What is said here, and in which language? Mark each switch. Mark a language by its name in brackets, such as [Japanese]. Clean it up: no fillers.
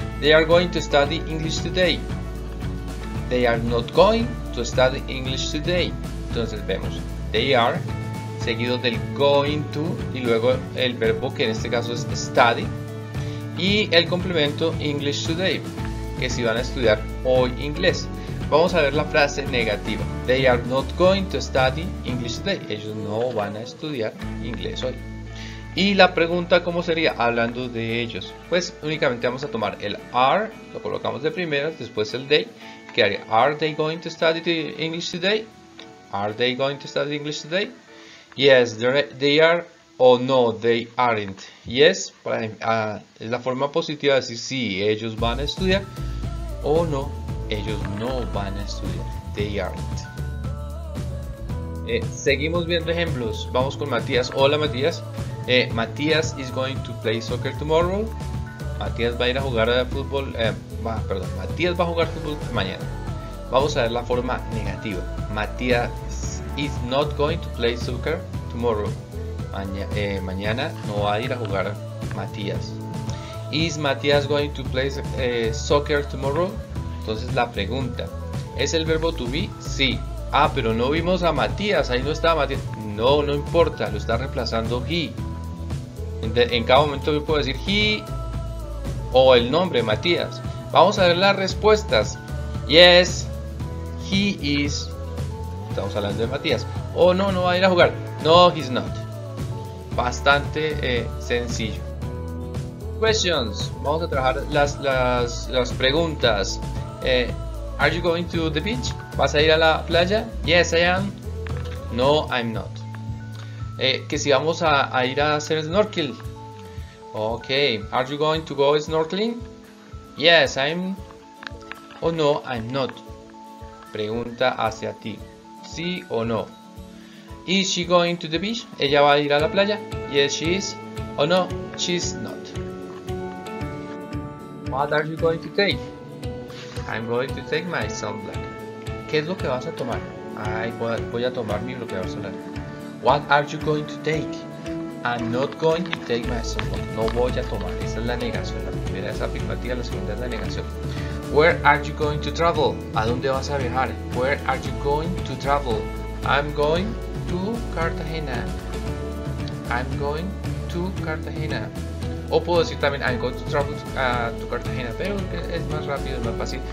[English] They are going to study English today. They are not going to study English today. [Spanish] Entonces vemos [English] they are [Spanish] seguido del going to y luego el verbo, que en este caso es study, y el complemento English today, que si van a estudiar hoy inglés. Vamos a ver la frase negativa. [English] They are not going to study English today. [Spanish] Ellos no van a estudiar inglés hoy. Y la pregunta, ¿cómo sería hablando de ellos? Pues únicamente vamos a tomar el are, lo colocamos de primera, después el they. [English] Are they going to study English today? Are they going to study English today? Yes, they are. [Spanish] O no, [English] they aren't. [Spanish] Yes, es la forma positiva de decir sí, ellos van a estudiar. O no, ellos no van a estudiar. [English] They aren't. [Spanish] Seguimos viendo ejemplos. Vamos con Matías. Hola, Matías. [English] Matías is going to play soccer tomorrow. [Spanish] Matías va a ir a jugar a fútbol. Matías va a jugar fútbol mañana. Vamos a ver la forma negativa. [English] Matías is not going to play soccer tomorrow. [Spanish] Mañana no va a ir a jugar Matías. [English] Is Matías going to play soccer tomorrow? [Spanish] Entonces la pregunta. ¿Es el verbo to be? Sí. Ah, pero no vimos a Matías. Ahí no estaba Matías. No, no importa. Lo está reemplazando he. En cada momento yo puedo decir he o el nombre Matías. Vamos a ver las respuestas. [English] Yes, he is. [Spanish] Estamos hablando de Matías. Oh, no, no va a ir a jugar. [English] No, he's not. [Spanish] Bastante sencillo. [English] Questions. [Spanish] Vamos a trabajar las preguntas. [English] Are you going to the beach? [Spanish] ¿Vas a ir a la playa? [English] Yes, I am. No, I'm not. [Spanish] Que si vamos a ir a hacer snorkel. Ok. [English] Are you going to go snorkeling? Yes, I'm. [Spanish] O no, [English] I'm not. [Spanish] Pregunta hacia ti. Sí o no. [English] Is she going to the beach? [Spanish] ¿Ella va a ir a la playa? [English] Yes, she is. O no, she's not. What are you going to take? I'm going to take my sunblock. [Spanish] ¿Qué es lo que vas a tomar? Voy a tomar mi bloqueador solar. [English] What are you going to take? I'm not going to take my sunblock. [Spanish] No voy a tomar. Esa es la negación. La primera es afirmativa, la segunda es la negación. [English] Where are you going to travel? [Spanish] ¿A dónde vas a viajar? [English] Where are you going to travel? I'm going to Cartagena. I'm going to Cartagena. [Spanish] O puedo decir también [English] I'm going to travel to Cartagena, [Spanish] pero es más rápido, es más fácil.